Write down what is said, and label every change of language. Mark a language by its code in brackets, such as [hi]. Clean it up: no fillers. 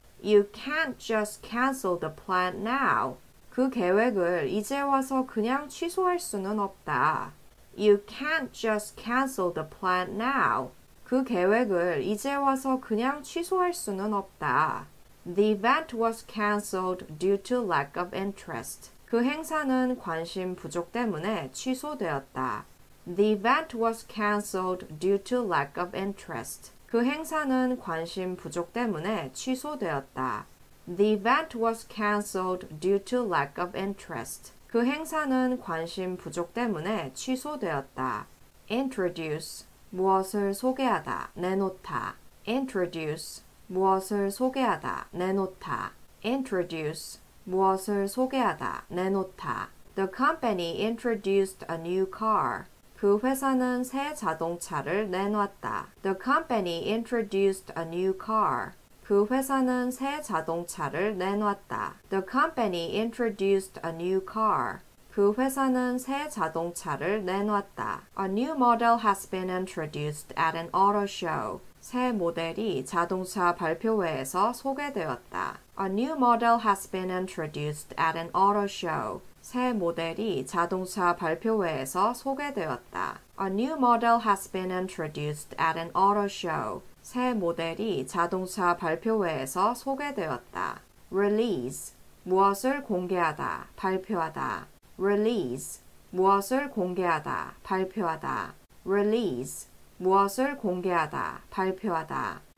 [en] You can't just cancel the plan now. [ko] 그 계획을 이제 와서 그냥 취소할 수는 없다. [en] You can't just cancel the plan now. [ko] 그 계획을 이제 와서 그냥 취소할 수는 없다. [en] The event was cancelled due to lack of interest. [ko] 그 행사는 관심 부족 때문에 취소되었다. [en] The event was cancelled due to lack of interest. [ko] 그 행사는 관심 부족 때문에 취소되었다. [en] The event was cancelled due to lack of interest. [ko] 그 행사는 관심 부족 때문에 취소되었다. [en] Introduce. [ko] 무엇을 소개하다, 내놓다. [en] Introduce. [ko] 무엇을 소개하다, 내놓다. [en] Introduce. [ko] 무엇을 소개하다, 내놓다. [en] The company introduced a new car. [ko] 그 회사는 새 자동차를 내놨다. [en] The company introduced a new car. [ko] 그 회사는 새 자동차를 내놨다. [en] The company introduced a new car. [ko] 그 회사는 새 자동차를 내놨다. [en] A new model has been introduced at an auto show. [ko] 새 모델이 자동차 발표회에서 소개되었다. [en] A new model has been introduced at an auto show. [ko] 새 모델이 자동차 발표회에서 소개되었다. [en] A new model has been introduced at an auto show. [ko] 새 모델이 자동차 발표회에서 소개되었다. [en] Release. [ko] 무엇을 공개하다, 발표하다. [en] Release. [ko] 무엇을 공개하다, 발표하다. [en] Release. [ko] 무엇을 공개하다, 발표하다.